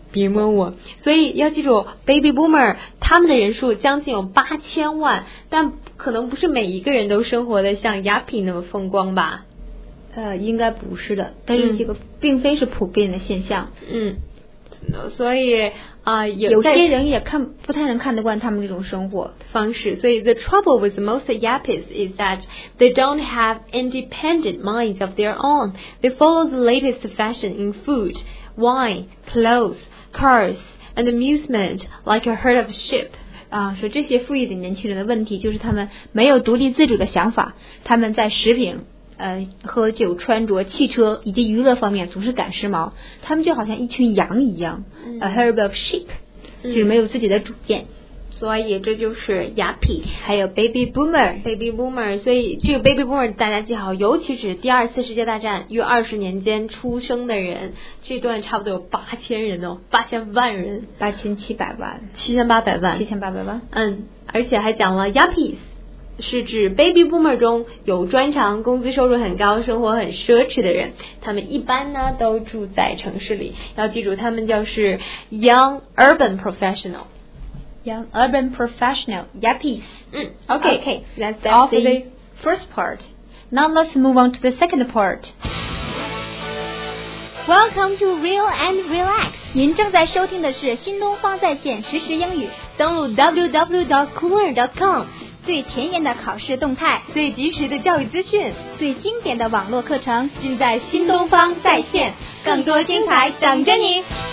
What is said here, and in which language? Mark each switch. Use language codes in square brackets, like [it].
[zh] 别问我，所以要记住 baby boomer 他们的人数将近有8000万，但可能不是每一个人都生活的像 Yuppie 那么风光吧。应该不是的，但是这个并非是普遍的现象。所以有些人也看不太能看得惯他们这种生活方式。 [en] 所以 the trouble with most Yuppies is that they don't have independent minds of their own. They follow the latest fashion in food, wine, clothes, cars, and amusement like a herd of sheep. [zh] 说这些富裕的年轻人的问题就是他们没有独立自主的想法，他们在食品喝酒、穿着、汽车以及娱乐方面总是赶时髦，他们就好像一群羊一样、 [en] a herd of sheep、 [zh] 就是没有自己的主见。所以这就是 Yuppie 还有 Baby Boomer。 Baby Boomer， 所以这个 Baby Boomer 大家记好，尤其是第二次世界大战约20年间出生的人，这段差不多有8000人哦，8000万人， 8800万。而且还讲了 Yuppies是指 baby boomer 中有专长、工资收入很高、生活很奢侈的人，他们一般呢都住在城市里。要记住，他们就是 [en] young urban professional， young urban professional yuppies。 Okay, that's all for the first part. Now let's move on to the second part. Welcome to Real and Relax. [zh] 您正在收听的是新东方在线实时英语，登录 www.cooler.com。最前沿的考试动态，最及时的教育资讯，最经典的网络课程，尽在新东方在线，更多精彩等着你。